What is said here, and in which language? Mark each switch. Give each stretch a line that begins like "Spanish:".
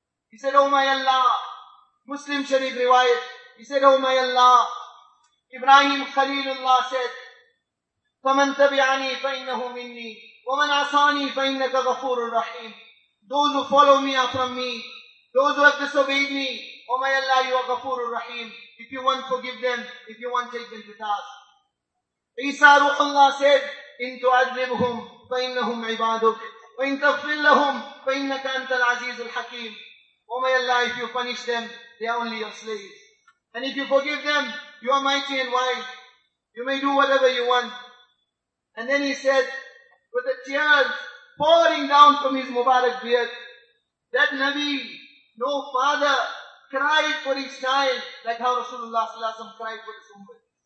English: He said, oh my Allah, Muslim Sharif riwayat, he said, oh my Allah, Ibrahim Khalilullah said,
Arabic: فَمَنْ تَبِعَنِي فَإِنَّهُ مِنِّي وَمَنْ عَصَانِي فَإِنَّكَ غَفُورٌ رَحِيمٌ.
English: Those who follow me are from me, those who have disobeyed me, oh my Allah, you are
Arabic: غَفُورٌ رَحِيمٌ.
English: If you want, forgive them. If you want, take them to task. Isa Ruhullah said,
Arabic: إِنْ تُعَذِّبْهُمْ فَإِنَّهُمْ عِبَادُكَ وَإِنْ تَغْفِرْ لَهُمْ فَإِنَّكَ أَنْتَ الْعَزِيزُ الْحَكِيمُ.
English: Oh my Allah, if you punish them, they are only your slaves. And if you forgive them, you are mighty and wise. You may do whatever you want. And then he said, with the tears pouring down from his Mubarak beard, that Nabi, no father, cried for his child like how Rasulullah ﷺ cried for his ummah.